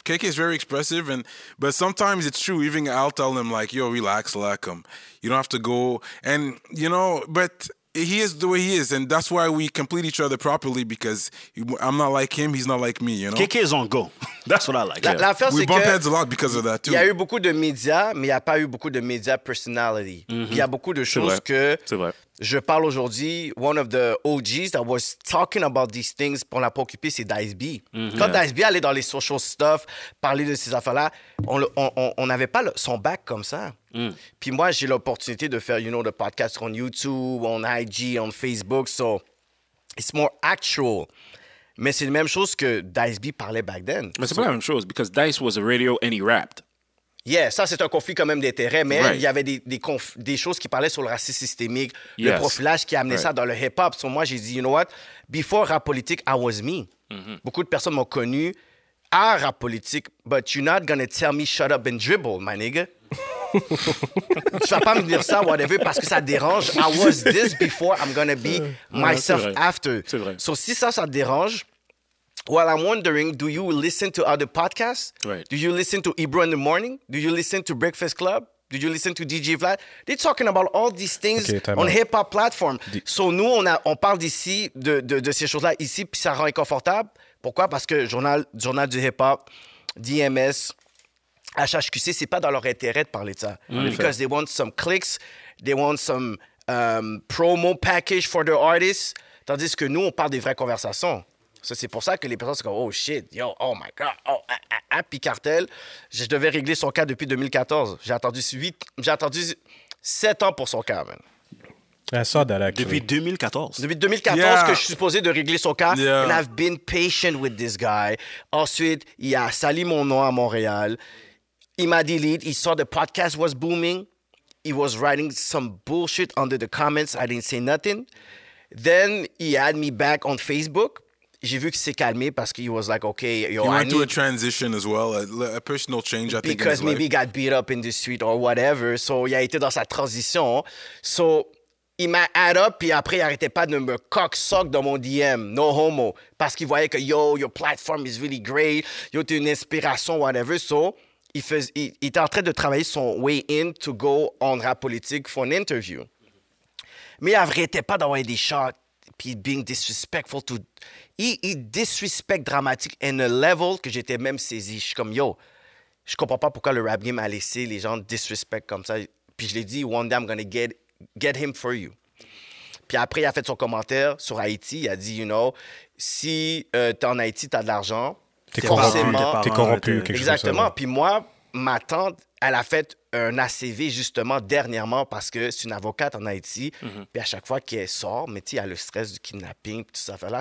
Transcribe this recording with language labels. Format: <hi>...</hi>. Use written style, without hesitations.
<en>KK is very expressive, but sometimes it's true. Even I'll tell him like, "Yo, relax, Lakum. You don't have to go." And you know, but he is the way he is, and that's why we complete each other properly, because I'm not like him, he's not like me, you know? KK is on go. That's what I like. We bump heads a lot because of that, too.</en> <fr>Il y a eu beaucoup de médias, mais il n'y a pas eu beaucoup de médias personality. Il y a beaucoup de choses que je parle aujourd'hui.</fr> <en>One of the OGs that was talking about these things</en> <fr>pour la préoccuper, c'est</fr> <en>Dice B.</en> <fr>Quand Dice B allait dans les</fr> <en>social stuff,</en> <fr>parler de ces affaires-là, on n'avait pas son back comme ça. Puis moi, j'ai l'opportunité de faire, you know,</fr> <en>the podcast on YouTube, on IG, on Facebook.</en> <fr>So,</fr> <en>it's more actual.</en> <fr>Mais c'est la même chose que Dice B parlait</fr> <en>back then.</en> <fr>Mais c'est pas la même chose,</fr> <en>because Dice was a radio and he rapped.</en> <fr>Yeah, ça, c'est un conflit quand même d'intérêt, mais il y avait des choses qui parlaient sur le racisme systémique, le profilage qui a amené ça dans le hip-hop. So, moi, j'ai dit,</fr> <en>you know what? Before rap politique, I was me.</en> <fr>Beaucoup de personnes m'ont connu à rap politique,</fr> <en>but you're not gonna tell me shut up and dribble, my nigga.</en> <fr>Tu vas pas me dire ça, whatever, parce que ça dérange.</fr> <en>I was this before I'm gonna be myself after.</en> <fr>C'est vrai.</fr> <en>So,</en> <fr>si ça te dérange,</fr> <en>well, I'm wondering, do you listen to other podcasts? Right. Do you listen to Ebro in the Morning? Do you listen to Breakfast Club? Do you listen to DJ Vlad? They're talking about all these things on hip-hop platform.</en> <fr>So, nous, on parle d'ici, de ces choses-là ici, puis ça rend inconfortable. Pourquoi? Parce que Journal du Hip-Hop, DMS, HHQC, c'est pas dans leur intérêt de parler de ça.</fr> <en>Because they want some</en> <fr>clicks, they want some</fr> <en>promo package for the artist.</en> <fr>Tandis que nous, on parle des vraies conversations. Ça, c'est pour ça que les personnes sont comme,</fr> <en>oh shit, yo, oh my god,</en> <fr>oh, Happy Cartel. Je devais régler son cas depuis 2014. J'ai attendu 7 ans pour son cas, man.</fr> <en>I saw that actually.</en> <fr>Depuis 2014. Depuis 2014 yeah. que je suis supposé de régler son cas. Yeah.</fr> <en>And I've been patient with this guy.</en> <fr>Ensuite, il a sali mon nom à Montréal. Il m'a</fr> <en>deleted. He saw the podcast was booming. He was writing some bullshit under the comments. I didn't say nothing. Then he had me back on Facebook.</en> <fr>J'ai vu qu'il s'est calmé parce qu'il</fr> <en>was like, okay, yo, he went through a transition as well, a personal change, I think. Because maybe he got beat up in the street or whatever.</en> <fr>So il a été dans sa transition. So il m'a add up, puis après, il n'arrêtait pas de me cock-sock dans mon DM, no homo, parce qu'il voyait que, yo,</fr> <en>your platform is really great, yo,</en> <fr>t'es une inspiration, whatever.</fr> <en>So,</en> <fr>il était en train de travailler son</fr> <en>way in to go on rap politique for an interview.</en> <fr>Mais il n'arrêtait pas d'envoyer des shots, puis</fr> <en>being disrespectful to...</en> <fr>Il disrespect dramatique</fr> <en>in a level</en> <fr>que j'étais même saisi. Je suis comme, yo, je comprends pas pourquoi le rap game a laissé les gens disrespect comme ça. Puis je l'ai dit,</fr> <en>one day I'm gonna get him for you.</en> <fr>Puis après, il a fait son commentaire sur Haïti. Il a dit, you know, si t'es en Haïti, t'as de l'argent. T'es corrompu, quelque chose. Exactement. Puis moi, ma tante, elle a fait un ACV justement dernièrement parce que c'est une avocate en Haïti. Mm-hmm. Puis à chaque fois qu'elle sort, mais tu sais, il y a le stress du kidnapping, toutes ces affaires-là.</fr>